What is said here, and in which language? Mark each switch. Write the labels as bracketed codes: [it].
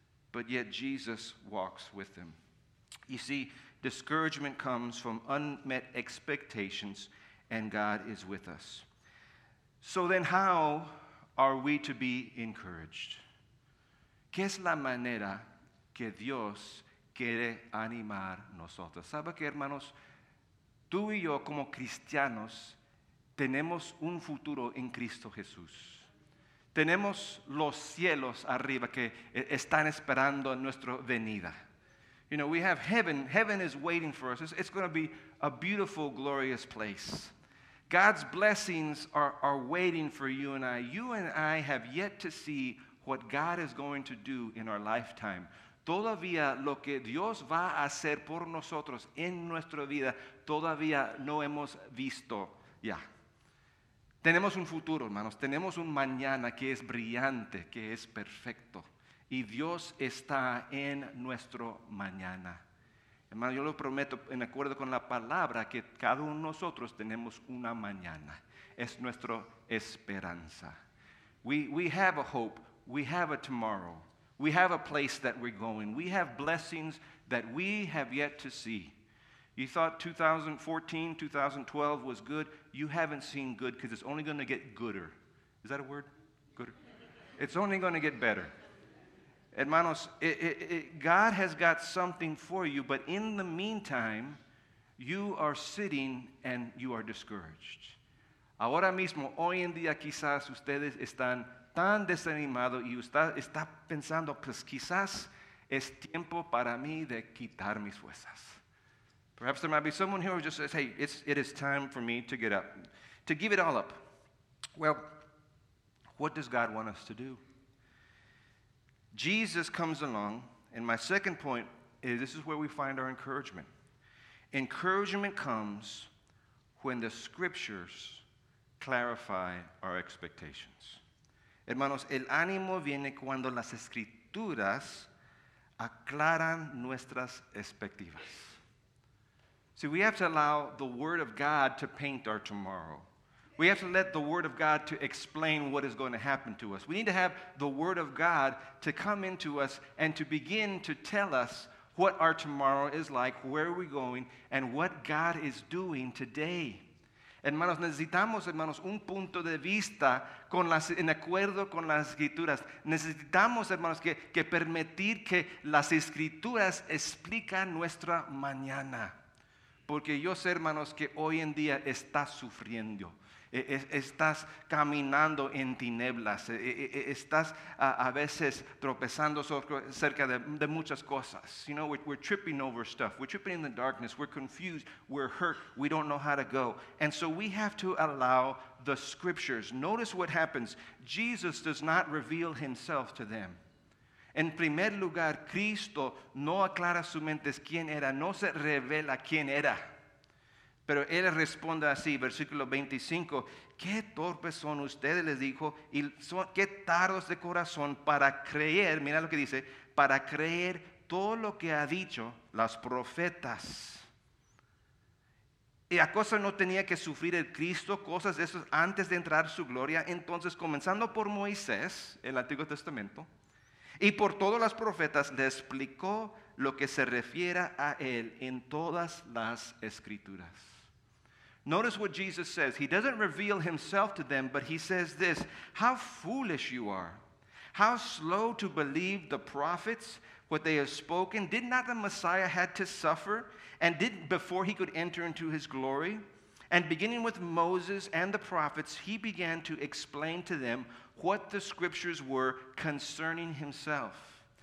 [en] But yet Jesus walks with them. You see, discouragement comes from unmet expectations, and God is with us. So then how are we to be encouraged? [es] ¿Qué es la manera que Dios quiere animar nosotros? ¿Sabe qué, hermanos? Tú y yo como cristianos tenemos un futuro en Cristo Jesús. Tenemos los cielos arriba que están esperando nuestra venida. [en] You know, we have heaven. Heaven is waiting for us. It's going to be a beautiful, glorious place. God's blessings are waiting for you and I. You and I have yet to see what God is going to do in our lifetime. [es] Todavía lo que Dios va a hacer por nosotros en nuestra vida, todavía no hemos visto ya. Tenemos un futuro, hermanos. Tenemos un mañana que es brillante, que es perfecto. Y Dios está en nuestro mañana. Hermano, yo lo prometo en acuerdo con la palabra que cada uno de nosotros tenemos una mañana. Es nuestra esperanza. [en] We have a hope. We have a tomorrow. We have a place that we're going. We have blessings that we have yet to see. You thought 2014, 2012 was good. You haven't seen good because it's only going to get gooder. Is that a word? Gooder. It's only going to get better. Hermanos, God has got something for you, but in the meantime, you are sitting and you are discouraged. [es] Ahora mismo, hoy en día, quizás ustedes están tan desanimados y usted está pensando, pues quizás es tiempo para mí de quitar mis fuerzas. [en] Perhaps there might be someone here who just says, hey, it is time for me to get up, to give it all up. Well, what does God want us to do? Jesus comes along, and my second point is this is where we find our encouragement. Encouragement comes when the scriptures clarify our expectations. [es] Hermanos, el ánimo viene cuando las escrituras aclaran nuestras expectativas. [en] See, we have to allow the word of God to paint our tomorrow. We have to let the word of God to explain what is going to happen to us. We need to have the word of God to come into us and to begin to tell us what our tomorrow is like, where are we going, and what God is doing today. [es] Hermanos, necesitamos, hermanos, un punto de vista con las, en acuerdo con las Escrituras. Necesitamos, hermanos, que permitir que las Escrituras explican nuestra mañana. Porque yo sé, hermanos, que hoy en día estás sufriendo. Estás caminando en tinieblas. Estás a veces tropezando cerca de muchas cosas. [en] You know, we're tripping over stuff. We're tripping in the darkness. We're confused. We're hurt. We don't know how to go. And so we have to allow the Scriptures. Notice what happens. Jesus does not reveal himself to them. [es] En primer lugar, Cristo no aclara su mente quién era, no se revela quién era. Pero él responde así, versículo 25, qué torpes son ustedes, les dijo, y son, qué tardos de corazón para creer, mira lo que dice, para creer todo lo que ha dicho las profetas. ¿Y acaso no tenía que sufrir el Cristo cosas de esas antes de entrar su gloria? Entonces, comenzando por Moisés, el Antiguo Testamento, y por todos los profetas le explicó lo que se refiere a él en todas las escrituras. [en] Notice what Jesus says. He doesn't reveal himself to them, but he says this. How foolish you are. How slow to believe the prophets, what they have spoken. Did not the Messiah had to suffer and did before he could enter into his glory? And beginning with Moses and the prophets, he began to explain to them what the scriptures were concerning himself.